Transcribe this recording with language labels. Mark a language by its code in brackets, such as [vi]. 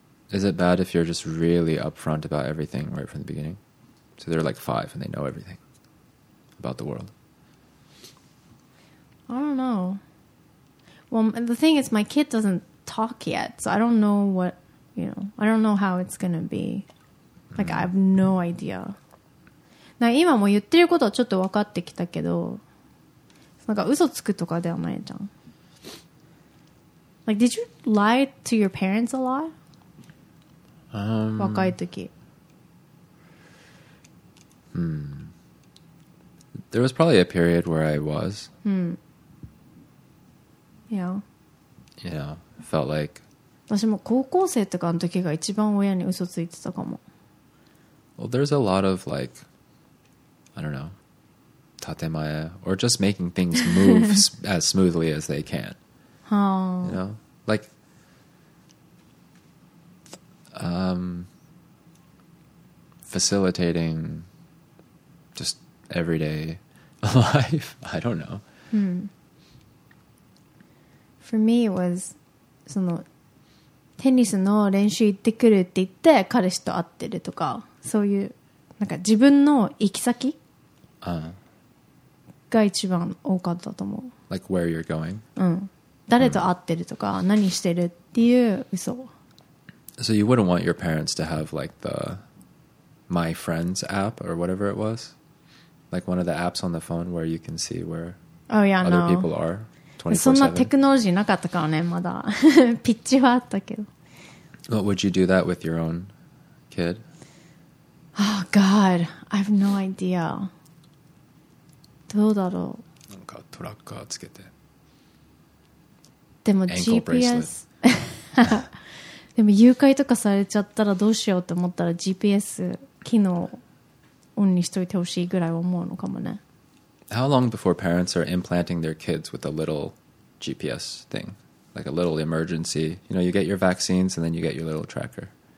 [en] Is it bad if you're just really upfront about everything right from the beginning? So they're like five and they know everything about the world. I don't know. Well, the thing is, my kid doesn't talk yet. So I don't know what, you know, I don't know how it's going to be. Like,、mm. I have no idea. Now, [ja] 今も言ってることはちょっと分かってきたけど、なんか嘘つくとかではないじゃん。 [en] Like, did you lie to your parents a lot? [ja] 若い時。 Hmm. [en] There was probably a period where I was. Hmm. Yeah. Yeah. Felt like [ja] 私も高校生とかの時が一番親に嘘ついてたかも。 [en] Well, there's a lot of like, I don't know, 建前 or just making things move as smoothly as they can. You know, like, facilitating just everyday life. I don't know. For me, it was [ja] その、テニスの練習行ってくるって言って彼氏と会ってるとか、そういうなんか自分の行き先、が一番多かったと思う。 [en] Like where you're going? [ja] うん。誰と会ってるとか、何してるっていう嘘。 [en] So you wouldn't want your parents to have like the My Friends app or whatever it was? Like one of the apps on the phone where you can see where other people are? 24/7? [ja] そんなテクノロジーなかったからね、まだ。ピッチはあったけど。 [en] But would you do that with your own kid? Oh God, I have no idea. [ja] どうだろう。なんかトラッカーつけて。でも GPS。でも誘拐とかされちゃったらどうしようって思ったら GPS 機能オンにしといてほしいぐらいは思うのかもね。 [en] How long before parents are implanting their kids with a little GPS thing? Like a little emergency. You know, you get your vaccines and then you get your little tracker.